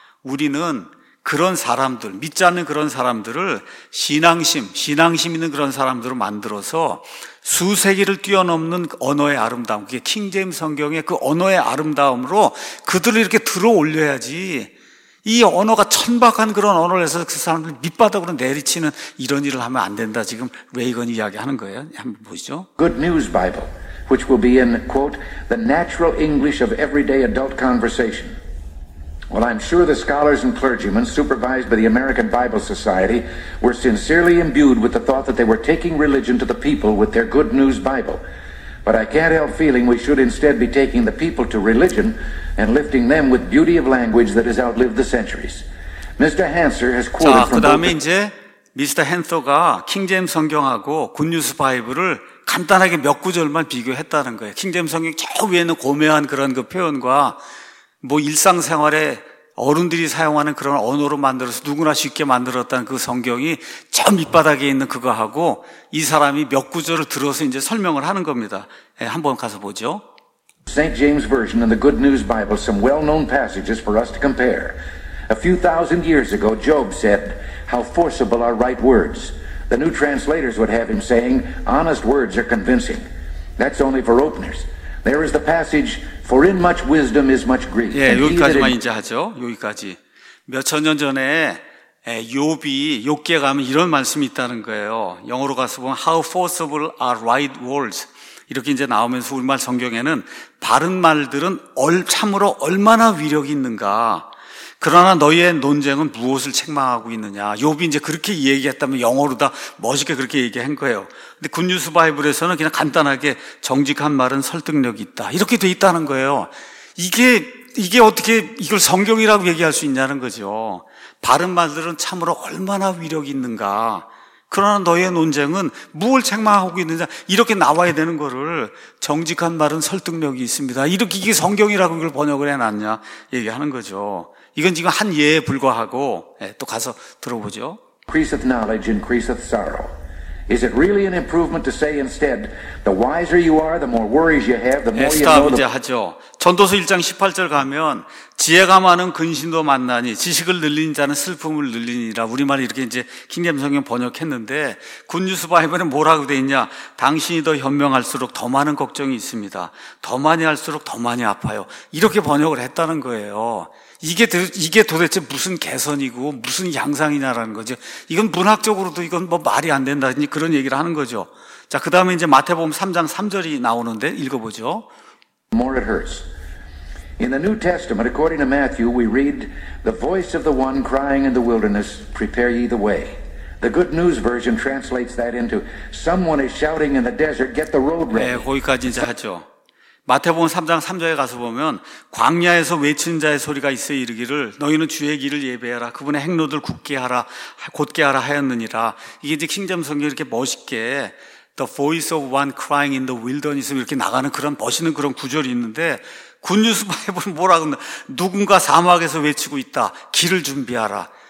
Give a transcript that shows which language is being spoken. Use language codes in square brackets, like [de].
[ko] 우리는 그런 사람들, 믿지 않는 그런 사람들을 신앙심 있는 그런 사람들을 만들어서 수세기를 뛰어넘는 언어의 아름다움, 그게 킹제임 성경의 그 언어의 아름다움으로 그들을 이렇게 들어올려야지 이 언어가 천박한 그런 언어를 해서 그 사람들을 밑바닥으로 내리치는 이런 일을 하면 안 된다. 지금 레이건 이야기하는 거예요. 한번 보시죠. [en] Good News Bible, which will be in, quote, the natural English of everyday adult conversation. Well, I'm sure the scholars and clergymen supervised by the American Bible Society were sincerely imbued with the thought that they were taking religion to the people with their Good News Bible. But I can't help feeling we should instead be taking the people to religion and lifting them with beauty of language that has outlived the centuries. Mr. Hanser has quoted [ko] 자, 그다음에 이제 미스터 헨서가 킹제임스 성경하고 굿뉴스 바이블을 간단하게 몇 구절만 비교했다는 거예요. 킹제임스 성경 저 위에는 고매한 그런 그 표현과 뭐 일상생활에 어른들이 사용하는 그런 언어로 만들어서 누구나 쉽게 만들었다는 그 성경이 저 밑바닥에 있는 그거하고 이 사람이 몇 구절을 들어서 이제 설명을 하는 겁니다. 예, 한번 가서 보죠. [en] St. James Version and the Good News Bible, some well-known passages for us to compare. A few thousand years ago, Job said, How forcible are right words. The new translators would have him saying, Honest words are convincing. That's only for openers. There is the passage, For in much wisdom is much grief. [ko] 예, 여기까지만 이제 하죠. 여기까지. 몇천 년 전에 욥이 욥기에 가면 이런 말씀이 있다는 거예요. 영어로 가서 보면 [en] How forcible are right words. [ko] 이렇게 이제 나오면서 우리말 성경에는 바른 말들은 참으로 얼마나 위력이 있는가. 그러나 너희의 논쟁은 무엇을 책망하고 있느냐. 욥이 이제 그렇게 얘기했다면 영어로 다 멋있게 그렇게 얘기한 거예요. 근데 굿뉴스 바이블에서는 그냥 간단하게 정직한 말은 설득력이 있다. 이렇게 돼 있다는 거예요. 이게 어떻게 이걸 성경이라고 얘기할 수 있냐는 거죠. 바른 말들은 참으로 얼마나 위력이 있는가. 그러나 너희의 논쟁은 무엇을 책망하고 있느냐. 이렇게 나와야 되는 거를 정직한 말은 설득력이 있습니다. 이렇게 이게 성경이라고 이걸 번역을 해놨냐 얘기하는 거죠. 이건 지금 한 예에 불과하고 예, 또 가서 들어보죠. [en] Increaseth knowledge, increaseth sorrow. Is it really an improvement to say instead, the wiser you are, the more worries you have, the more you know. [ko] 예, 이제 하죠. 전도서 1장 18절 가면 지혜가 많은 근심도 만나니 지식을 늘리는 자는 슬픔을 늘리니라. 우리말 이렇게 이제 킹제임스 성경 번역했는데 굿뉴스 바이블은 뭐라고 돼 있냐? 당신이 더 현명할수록 더 많은 걱정이 있습니다. 더 많이 할수록 더 많이 아파요. 이렇게 번역을 했다는 거예요. 이게 도대체 무슨 개선이고 무슨 향상이냐라는 거죠. 이건 문학적으로도 이건 뭐 말이 안 된다든지 그런 얘기를 하는 거죠. 자, 그다음에 이제 마태복음 3장 3절이 나오는데 읽어 보죠. [en] More it hurts. In the New Testament according to Matthew we read the voice of the one crying in the wilderness prepare ye the way. The Good News Version translates that into someone is shouting in the desert get the road ready. [ko] 네, 거기까지 이제 하죠. 마태복음 3장 3절에 가서 보면 광야에서 외친 자의 소리가 있어 이르기를 너희는 주의 길을 예배하라 그분의 행로들 굳게 하라 곧게 하라 하였느니라. 이게 이제 킹제임스 성경 이렇게 멋있게 [en] The voice of one crying in the wilderness [ko] 이렇게 나가는 그런 멋있는 그런 구절이 있는데 굿뉴스 바이블은 뭐라고 누군가 사막에서 외치고 있다 길을 준비하라.